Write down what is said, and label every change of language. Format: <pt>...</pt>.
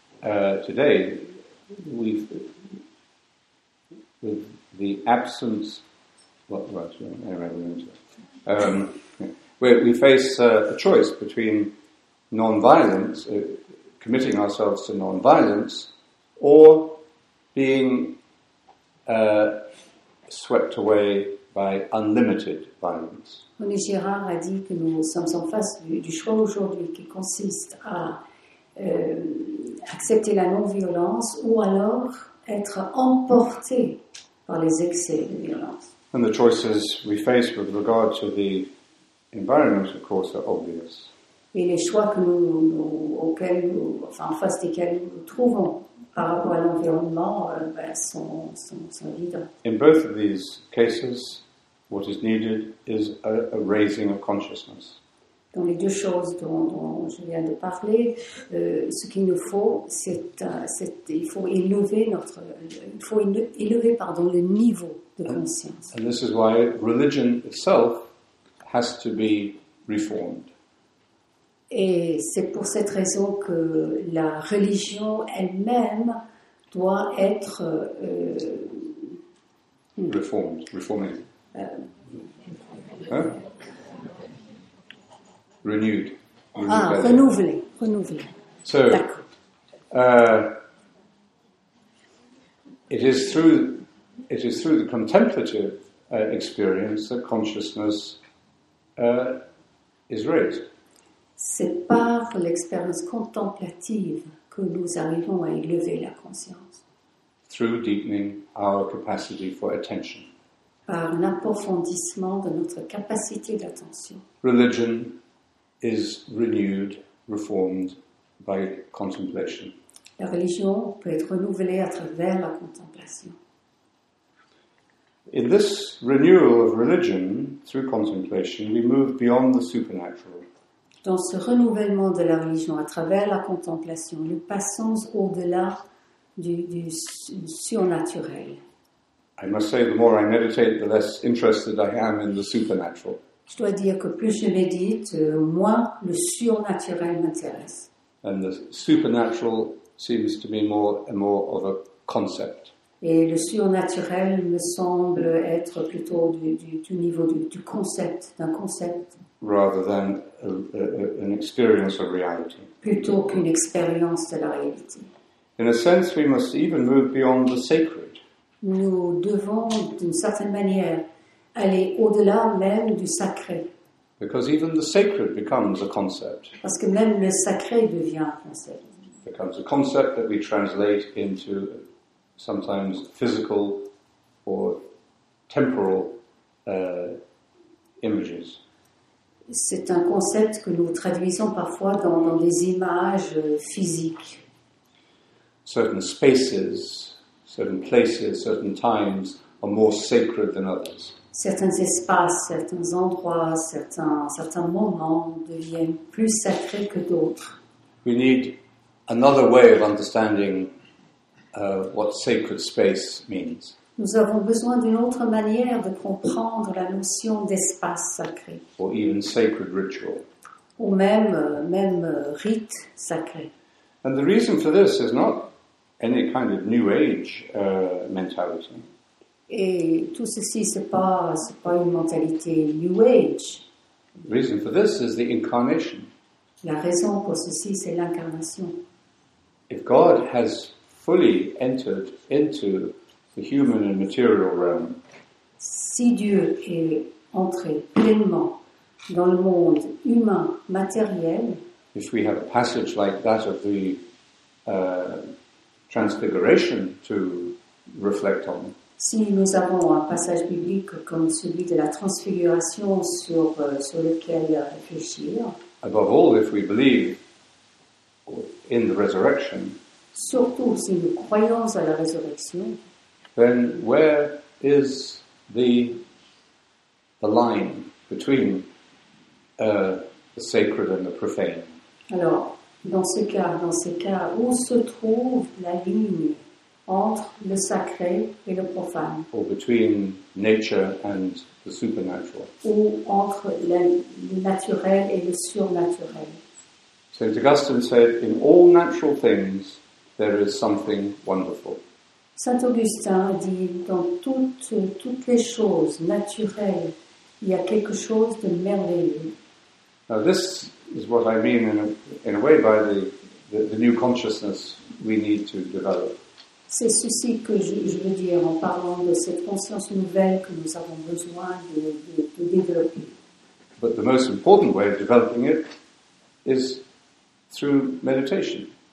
<en>today, with the absence, we face a choice between non-violence, committing ourselves to non-violence, or being swept away by unlimited violence.</en> <fr>René Girard a dit que nous sommes en face du choix aujourd'hui qui consiste à accepter la non-violence ou alors être emporté par les excès de violence.</fr> <en>And the choices we face with regard to the environment, of course, are obvious.</en> <fr>Et les choix que face desquels nous trouvons par rapport à l'environnement sont vides.</fr> <en>In both of these cases, what is needed is a raising of consciousness.</en> <fr>Dans les deux choses dont je viens de parler, ce qu'il nous faut, c'est il faut élever notre, il faut élever pardon le niveau de conscience.</fr> <en>And this is why religion itself has to be reformed.</en> <fr>Et c'est pour cette raison que la religion elle-même doit être reformée.</fr> <en>Renewed.</en> <fr>Renouvelé.</fr> <en>So, it is through the contemplative experience that consciousness is raised.</en> <fr>C'est par l'expérience contemplative que nous arrivons à élever la conscience.</fr> <en>Through deepening our capacity for attention.</en> <fr>Par un approfondissement de notre capacité d'attention.</fr> <en>Religion is renewed, reformed by contemplation.</en> <fr>La religion peut être renouvelée à travers la contemplation.</fr> <en>In this renewal of religion through contemplation, we move beyond the supernatural.</en> <fr>Dans ce renouvellement de la religion à travers la contemplation, nous passons au-delà du surnaturel.</fr> <en>I must say, the more I meditate, the less interested I am in the supernatural.</en> <fr>Je dois dire que plus je médite, moins le surnaturel m'intéresse.</fr> <en>And the supernatural seems to be more and more of a concept.</en> <fr>Et le surnaturel me semble être plutôt du niveau du concept, d'un concept.</fr> <en>Rather than an experience of reality.</en> <fr>Plutôt qu'une expérience de la réalité.</fr> <en>In a sense, we must even move beyond the sacred.</en> <fr>Nous devons, d'une certaine manière, aller au-delà même du sacré.</fr> <en>Because even the sacred becomes a concept.</en> <fr>Parce que même le sacré devient un concept.</fr> <en>Becomes a concept that we translate into sometimes physical or temporal images.</en> <fr>C'est un concept que nous traduisons parfois dans des images physiques.</fr> <en>Certain spaces, certain places, certain times are more sacred than others.</en> <fr>Certains espaces, certains endroits, certains moments deviennent plus sacrés que d'autres.</fr> <en>We need another way of understanding what sacred space means.</en> <fr>Nous avons besoin d'une autre manière de comprendre la notion d'espace sacré.</fr> <en>Or even sacred ritual.</en> <fr>Ou même rite sacré.</fr> <en>And the reason for this is not any kind of New Age mentality.</en> <fr>Et tout ceci, c'est pas une mentalité New Age.</fr> <en>The reason for this is the incarnation.</en> <fr>La raison pour ceci, c'est l'incarnation.</fr> <en>If God has fully entered into the human and material realm,</en> <fr>si Dieu est entré pleinement dans le monde humain matériel,</fr> <en>if we have a passage like that of the Transfiguration to reflect on,</en> <fr>si nous avons un passage biblique comme celui de la transfiguration sur lequel réfléchir,</fr> <en>above all, if we believe in the resurrection,</en> <fr>surtout si nous croyons à la résurrection,</fr> <en>then where is the line between the sacred and the profane?</en> <fr>Alors, dans ce cas, où se trouve la ligne entre le sacré et le profane?</fr> <en>Or between nature and the supernatural.</en> <fr>Ou entre le naturel et le surnaturel.</fr> <en>Saint Augustine said, in all natural things, there is something wonderful.</en> <fr>Saint Augustin dit dans toutes les choses naturelles, il y a quelque chose de merveilleux.</fr> <en>Now this is what I mean in a way by the new consciousness we need to develop.</en> <fr>C'est ceci que je veux dire en parlant de cette conscience nouvelle que nous avons besoin de développer.</fr> <en>But the most important way of developing it is through meditation.</en>